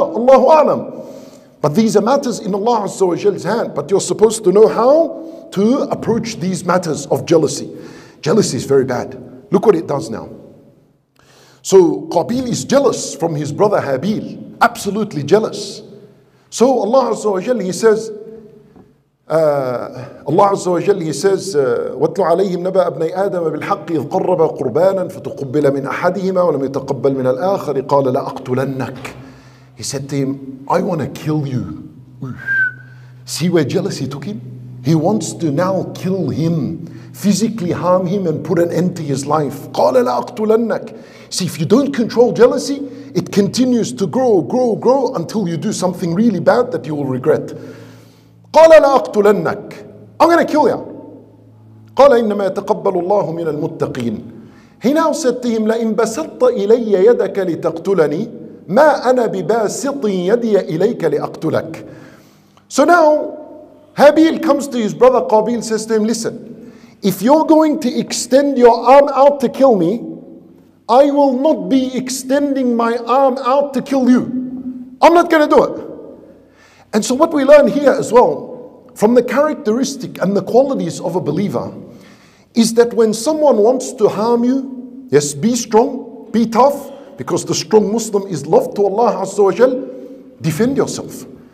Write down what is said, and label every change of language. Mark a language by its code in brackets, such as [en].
[en] Allahu alam. But these are matters in Allah Azza wa Jal's hand. But you're supposed to know how to approach these matters of jealousy. Jealousy is very bad. Look what it does now. So Qabil is jealous from his brother Habil. Absolutely jealous. So Allah Azza wa Jal, he says, Allah Azza wa Jalla, he says, [ar] وَاتْلُ عَلَيْهِمْ نَبَأَ أَبْنَيْ آدَمَ بِالْحَقِّ إِذْ قَرَّبَ قُرْبَانًا فَتُقُبِّلَ مِنْ أَحَدِهِمَا وَلَمْ يَتَقَبَّلْ مِنَ الْآخَرِ قَالَ لَأَقْتُلَنَّكَ. [en] He said to him, I want to kill you. See where jealousy took him? He wants to now kill him, physically harm him and put an end to his life. [ar] قَالَ لَأَقْتُلَنَّكَ. [en] See, if you don't control jealousy, it continues to grow until you do something really bad that you will regret. [ar] قَالَ لَأَقْتُلَنَّكَ. [en] I'm going to kill you. [ar] قَالَ إِنَّمَا يَتَقَبَّلُ اللَّهُ مِنَ الْمُتَّقِينَ. [en] He now said to him, [ar] لَإِنْ بَسَطَّ إِلَيَّ يَدَكَ لِتَقْتُلَنِي مَا أَنَا بِبَاسِطٍ يَدِيَ إِلَيْكَ لِأَقْتُلَكَ. [en] So now, Habil comes to his brother Qabil, says to him, listen, if you're going to extend your arm out to kill me, I will not be extending my arm out to kill you. I'm not going to do it. And so what we learn here as well, from the characteristic and the qualities of a believer, is that when someone wants to harm you, yes, be strong, be tough, because the strong Muslim is love to Allah Azza wa Jal, defend yourself.